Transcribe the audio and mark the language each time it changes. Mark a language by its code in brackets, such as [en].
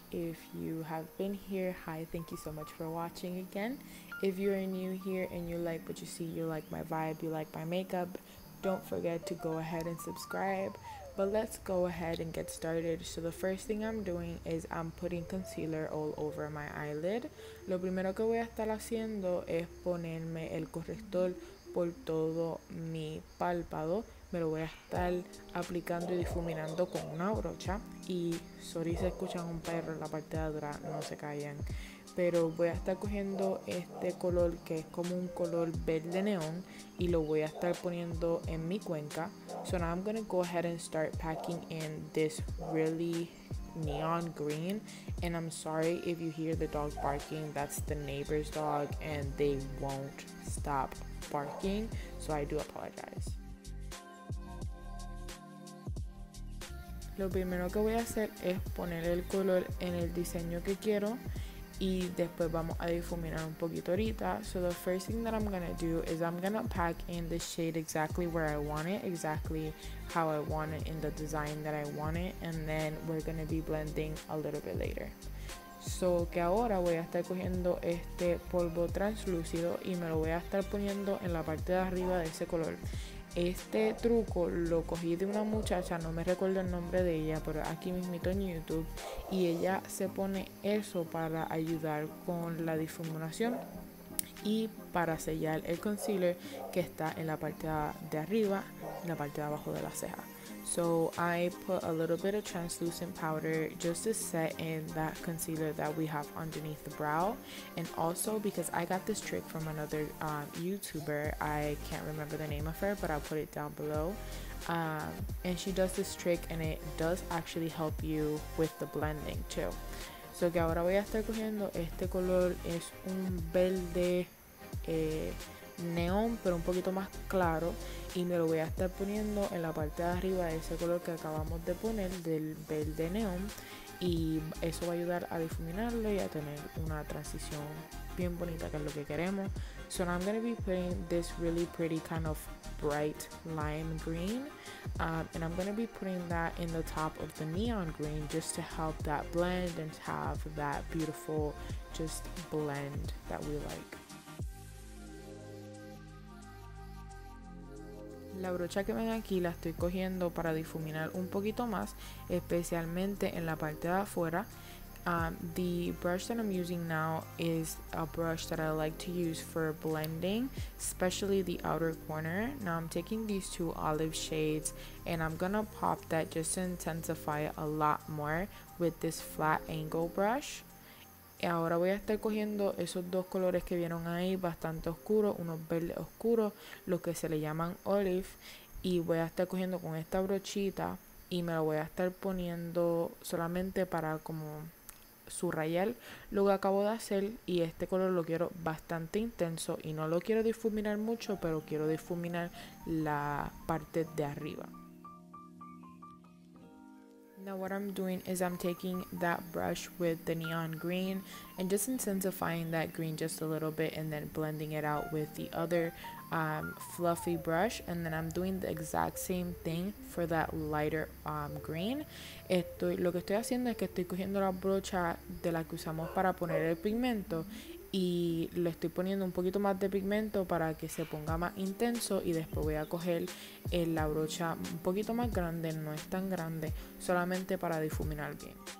[en] If you have been here, hi, thank you so much for watching again. If you are new here and you like what you see, you like my vibe, you like my makeup, don't forget to go ahead and subscribe. But let's go ahead and get started. So the first thing I'm doing is I'm putting concealer all over my eyelid. [es] Lo primero que voy a estar haciendo es ponerme el corrector por todo mi párpado. Me lo voy a estar aplicando y difuminando con una brocha. Y sorry si escuchan un perro en la parte de atrás, no se callen. Pero voy a estar cogiendo este color que es como un color verde neón y lo voy a estar poniendo en mi cuenca. [en] So now I'm gonna go ahead and start packing in this really neon green. And I'm sorry if you hear the dog barking, that's the neighbor's dog and they won't stop barking. So I do apologize. [es] Lo primero que voy a hacer es poner el color en el diseño que quiero y después vamos a difuminar un poquito ahorita. [en] So the first thing that I'm gonna do is I'm gonna pack in the shade exactly where I want it, exactly how I want it in the design that I want it, and then we're gonna be blending a little bit later. [es] So que ahora voy a estar cogiendo este polvo translúcido y me lo voy a estar poniendo en la parte de arriba de ese color. Este truco lo cogí de una muchacha, no me recuerdo el nombre de ella, pero aquí mismito en YouTube. Y ella se pone eso para ayudar con la difuminación y para sellar el concealer que está en la parte de arriba, en la parte de abajo de la ceja. [en] So I put a little bit of translucent powder just to set in that concealer that we have underneath the brow. And also because I got this trick from another YouTuber, I can't remember the name of her, but I'll put it down below. And she does this trick and it does actually help you with the blending too. [es] So que ahora voy a estar cogiendo este color, es un verde neón, pero un poquito más claro. Y me lo voy a estar poniendo en la parte de arriba de ese color que acabamos de poner, del verde neón. Y eso va a ayudar a difuminarlo y a tener una transición bien bonita, que es lo que queremos. [en] So now I'm going to be putting this really pretty kind of bright lime green. And I'm going to be putting that in the top of the neon green just to help that blend and have that beautiful just blend that we like. [es] La brocha que ven aquí la estoy cogiendo para difuminar un poquito más, especialmente en la parte de afuera. [en] The brush that I'm using now is a brush that I like to use for blending, especially the outer corner. Now I'm taking these two olive shades and I'm gonna pop that just to intensify a lot more with this flat angle brush. [es] Y ahora voy a estar cogiendo esos dos colores que vieron ahí, bastante oscuros, unos verdes oscuros, los que se le llaman olive. Y voy a estar cogiendo con esta brochita y me lo voy a estar poniendo solamente para como subrayar lo que acabo de hacer. Y este color lo quiero bastante intenso y no lo quiero difuminar mucho, pero quiero difuminar la parte de arriba. [en] Now what I'm doing is I'm taking that brush with the neon green and just intensifying that green just a little bit and then blending it out with the other fluffy brush. And then I'm doing the exact same thing for that lighter green. [es] Lo que estoy haciendo es que estoy cogiendo la brocha de la que usamos para poner el pigmento y le estoy poniendo un poquito más de pigmento para que se ponga más intenso. Y después voy a coger la brocha un poquito más grande, no es tan grande, solamente para difuminar bien.